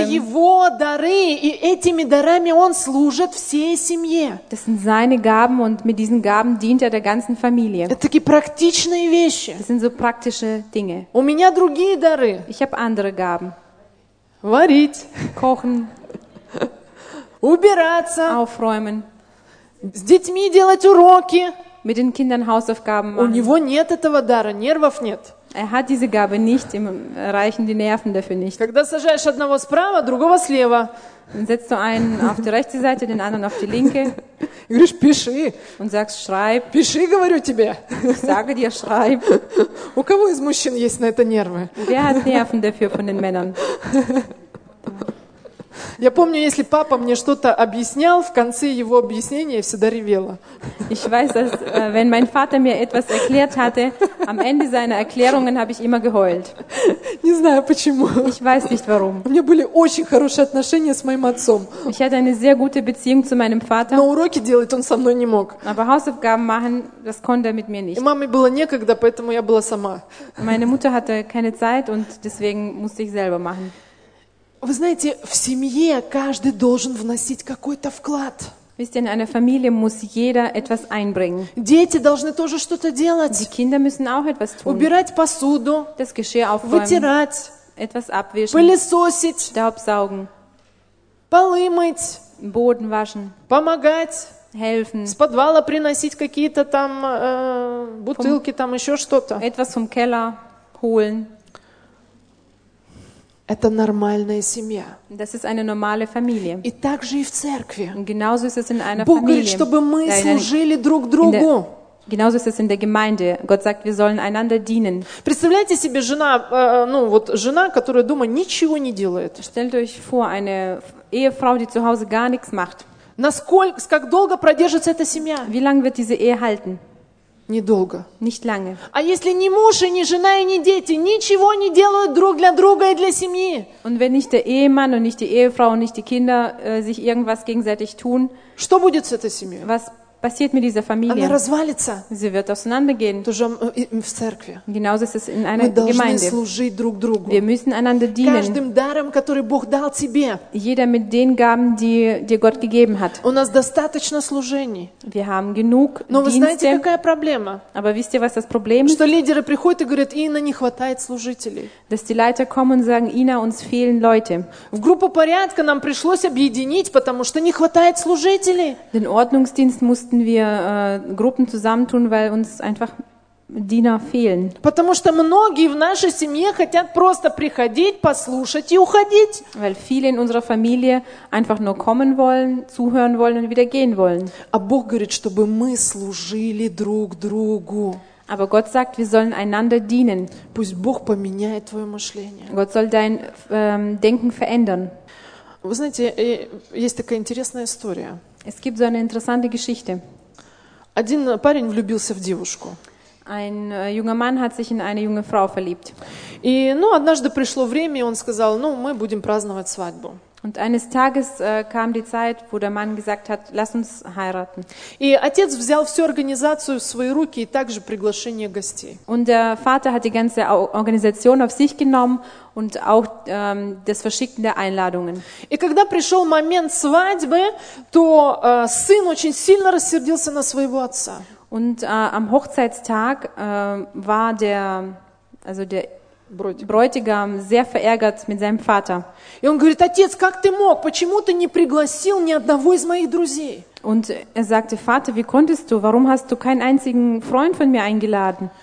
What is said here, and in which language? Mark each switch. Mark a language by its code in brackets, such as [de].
[ru] Это его дары, и этими дарами он служит всей семье. [de] Das sind seine Gaben und mit diesen Gaben dient der ganzen Familie. [ru] Это такие практичные вещи. [de] Das sind so praktische Dinge. [ru] У меня другие дары. [de] Ich habe andere Gaben. [ru] Варить. [de] Kochen. [ru] Убираться. [de] Aufräumen. [ru] С детьми делать уроки. [de] Mit den Kindern Hausaufgaben machen. [ru] У него нет этого дара, нервов нет. [de] Er hat diese Gabe nicht, ihm reichen die Nerven dafür nicht. [ru] Когда сажаешь одного справа, другого слева. [de] Dann setzt du einen auf die rechte Seite, den anderen auf die linke. [ru] И говоришь, пиши. [de] Und sagst, schreib. [ru] Пиши, говорю тебе. [de] Sage dir, schreib. [ru] У кого из мужчин есть на это нервы? [de] Wer hat Nerven dafür von den Männern? [ru] Я помню, если папа мне что-то объяснял, в конце его объяснения я всегда ревела. [de] Ich weiß, dass wenn mein Vater mir etwas erklärt hatte, am Ende seiner Erklärungen habe ich immer geheult. [ru] Не знаю почему. [de] Ich weiß nicht warum. [ru] У меня были очень хорошие отношения с моим отцом. [de] Ich hatte eine sehr gute Beziehung zu meinem Vater. [ru] Но уроки делать он со мной не мог. [de] Aber Hausaufgaben machen, das konnte er mit mir nicht. [ru] И маме было некогда, поэтому я была сама. [de] Meine Mutter hatte keine Zeit und deswegen musste ich selber machen. [ru] Вы знаете, в семье каждый должен вносить какой-то вклад. [de] Wisst ihr, in einer Familie muss jeder etwas einbringen. [ru] Дети должны тоже что-то делать. [de] Die Kinder müssen auch etwas tun. [ru] Убирать посуду. [de] Das Geschirr aufräumen. [ru] Вытирать. [de] Etwas abwischen. [ru] Пылесосить. [de] Staub saugen. [ru] Полы мыть. [de] Boden waschen. [ru] Помогать. [de] Helfen. [ru] С подвала приносить какие-то там бутылки, там еще что-то. [de] Etwas vom Keller holen. [ru] Это нормальная семья. [de] Das ist eine normale Familie. [ru] И так же и в церкви. [de] Genauso ist es in einer Familie. [ru] Бог говорит, чтобы мы служили друг другу. [de] Genauso ist es in der Gemeinde. Gott sagt, wir sollen einander dienen. [ru] Представляете себе жена, ну вот жена, которая дома ничего не делает. [de] Stellt euch vor, eine Ehefrau, die zu Hause gar nichts macht. [ru] Насколько, как долго продержится эта семья? [de] Wie lange wird diese Ehe halten? [ru] Недолго. [de] Nicht lange. [ru] А если ни муж, и ни жена, и ни дети ничего не делают друг для друга и для семьи? [de] Und wenn nicht der Ehemann und nicht die Ehefrau und nicht die Kinder sich irgendwas gegenseitig tun, [ru] что будет с этой семьей? [de] Was passiert mit dieser Familie? [ru] Она развалится. [de] Sie wird auseinandergehen. [ru] Тоже в церкви. [de] Genauso ist es in einer Gemeinde. [ru] Мы должны служить друг другу. [de] Wir müssen einander dienen. [ru] Каждым даром, который Бог дал тебе. [de] Jeder mit den Gaben, die dir Gott gegeben hat. [ru] У нас достаточно служений. [de] Wir haben genug Dienste. [ru] Но вы знаете, какая проблема? [de] Aber wisst ihr, was das Problem ist? [ru] Что лидеры приходят и говорят, Ина, не хватает служителей. [de] Dass die Leiter kommen und sagen, Ina, uns fehlen Leute. [ru] В группу порядка нам пришлось объединить, потому что не хватает служителей. [de] Den Ordnungsdienst mussten wir Gruppen zusammentun, weil uns einfach Diener fehlen. [ru] Потому что многие в нашей семье хотят просто приходить, послушать и уходить. [de] Weil viele in unserer Familie einfach nur kommen wollen, zuhören wollen und wieder gehen wollen. [ru] А Бог говорит, чтобы мы служили друг другу. [de] Aber Gott sagt, wir sollen einander dienen. [ru] Пусть Бог поменяет твое мышление. [de] Gott soll dein Denken verändern. [ru] Вы знаете, есть такая интересная история. [de] Es gibt so eine interessante Geschichte. [ru] Один парень влюбился в девушку. [de] Ein junger Mann hat sich in eine junge Frau verliebt. [ru] И, ну, однажды пришло время, и он сказал, ну, мы будем праздновать свадьбу. [de] Und eines Tages kam die Zeit, wo der Mann gesagt hat, lass uns heiraten. [ru] И отец взял всю организацию в свои руки и также приглашение гостей. [de] Und der Vater hat die ganze Organisation auf sich genommen und auch das Verschicken der Einladungen. [ru] И когда пришел момент свадьбы, то сын очень сильно рассердился на своего отца. [de] Und am Hochzeitstag war der, also der Bräutigam sehr verärgert mit seinem Vater. [ru] И он говорит, отец, как ты мог? Почему ты не пригласил ни одного из моих друзей? [de] Und er sagte, Vater, wie konntest du? Warum hast du keinen einzigen Freund von mir eingeladen?